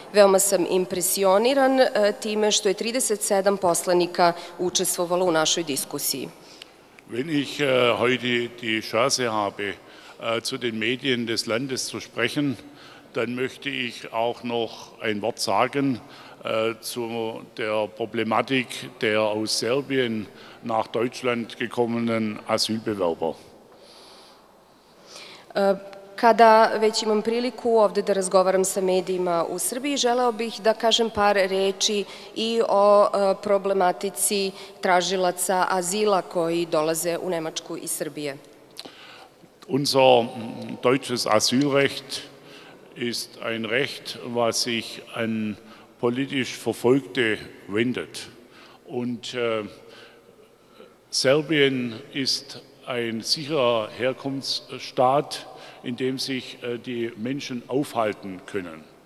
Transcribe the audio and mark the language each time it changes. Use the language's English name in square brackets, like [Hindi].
[Serbian] Veoma sam impresioniran time što je 37 poslanika učestvovalo u našoj diskusiji. [German] Wenn ich heute die Chance habe, zu den Medien des Landes zu sprechen, dann möchte ich auch noch ein Wort sagen zu der Problematik der aus Serbien nach Deutschland gekommenen Asylbewerber. [Serbian] Kada već imam priliku ovde da razgovaram sa medijima u Srbiji, želeo bih da kažem par reči i o problematici tražilaca azila koji dolaze u Nemačku i Srbije. [German] Unser deutsches Asylrecht ist ein Recht, was sich an politisch Verfolgte wendet. Und Serbien ist ein sicherer Herkunftsstaat, in dem sich die Menschen aufhalten können.